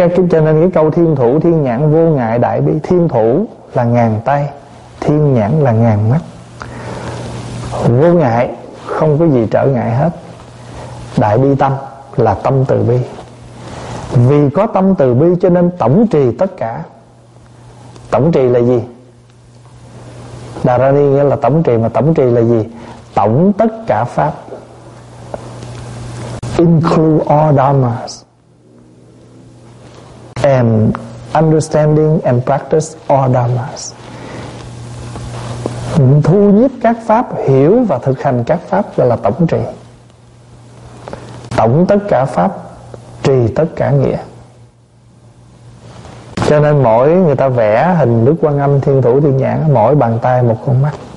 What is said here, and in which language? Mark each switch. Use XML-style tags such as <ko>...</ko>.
<vi>Cho nên cái câu thiên thủ, thiên nhãn, vô ngại, đại bi, thiên thủ là ngàn tay, thiên nhãn là ngàn mắt, vô ngại, không có gì trở ngại hết. Đại bi tâm là tâm từ bi. Vì có tâm từ bi cho nên tổng trì tất cả. Tổng trì là gì? Đà ra đi nghĩa là tổng trì. Mà tổng trì là gì? Tổng tất cả pháp.</vi> <en>Include all dharmas and understanding and practice all dharmas.</en> <vi>Thu nhiếp các pháp, hiểu và thực hành các pháp gọi là tổng trì. Tổng tất cả pháp, trì tất cả nghĩa. Cho nên mỗi người ta vẽ hình Đức Quan Âm, thiên thủ, thiên nhãn, mỗi bàn tay một con mắt.</vi>